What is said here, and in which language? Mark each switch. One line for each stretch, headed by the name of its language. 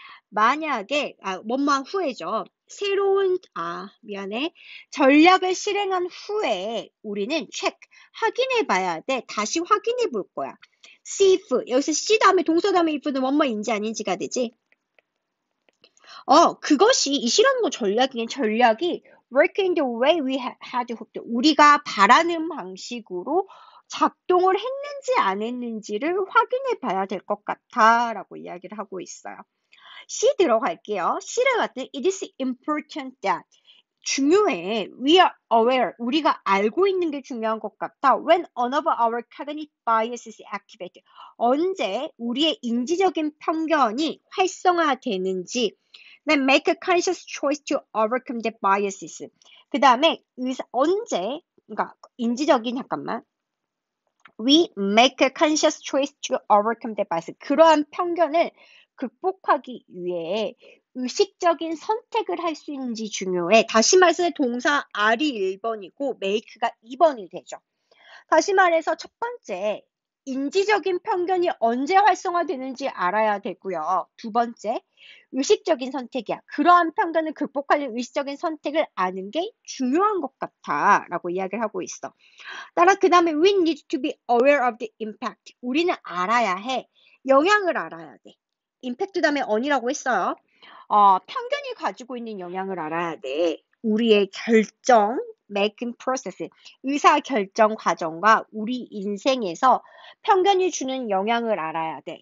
Korean: 만약에, 뭐만 후회죠. 새로운, 미안해. 전략을 실행한 후에 우리는 check, 확인해봐야 돼. 다시 확인해볼 거야.
English: See if,
Korean: 여기서 see 다음에 동사 다음에 if는 뭐뭐인지 아닌지가 되지? 그것이, 이시라는 건 전략이긴 전략이
English: work in the way we had hoped.
Korean: 우리가 바라는 방식으로 작동을 했는지 안 했는지를 확인해봐야 될것 같아. 라고 이야기를 하고 있어요. C 들어갈게요. C를 갖다
English: it is important that
Korean: 중요해.
English: We are aware.
Korean: 우리가 알고 있는 게 중요한 것 같아.
English: When one of our cognitive biases is activated.
Korean: 언제 우리의 인지적인 편견이 활성화되는지.
English: Then make a conscious choice to overcome the biases.
Korean: 그 다음에 언제 그러니까 인지적인 잠깐만.
English: We make a conscious choice to overcome the bias.
Korean: 그러한 편견을 극복하기 위해 의식적인 선택을 할수 있는지 중요해. 다시 말해서 동사 R이 1번이고 make가 2번이 되죠. 다시 말해서 첫 번째, 인지적인 편견이 언제 활성화되는지 알아야 되고요. 두 번째, 의식적인 선택이야. 그러한 편견을 극복하려는 의식적인 선택을 아는 게 중요한 것 같아라고 이야기를 하고 있어. 따라 그다음에
English: we need to be aware of the impact.
Korean: 우리는 알아야 해. 영향을 알아야 돼. 임팩트 다음에 on이라고 했어요. 편견이 가지고 있는 영향을 알아야 돼. 우리의 결정,
English: making process,
Korean: 의사 결정 과정과 우리 인생에서 편견이 주는 영향을 알아야 돼.